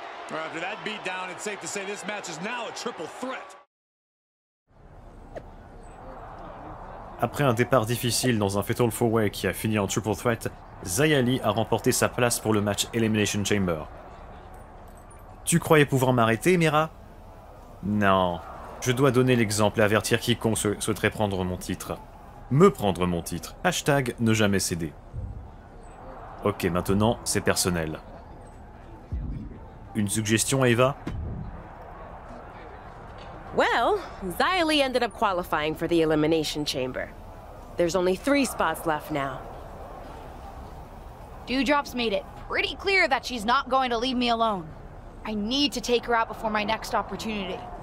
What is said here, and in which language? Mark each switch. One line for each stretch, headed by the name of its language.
English: After that beatdown, it's safe to say this match is now a triple threat.
French: Après un départ difficile dans un Fatal 4-Way qui a fini en triple threat, Xia Li a remporté sa place pour le match Elimination Chamber. Tu croyais pouvoir m'arrêter, Mira? Non. Je dois donner l'exemple et avertir quiconque souhaiterait prendre mon titre. Me prendre mon titre. Hashtag ne jamais céder. Ok, maintenant, c'est personnel. Une suggestion, Eva?
English: Well, Xia Li ended up qualifying for the Elimination Chamber. There's only three spots left now. Doudrop's made it pretty clear that she's not going to leave me alone. I need to take her out before my next opportunity.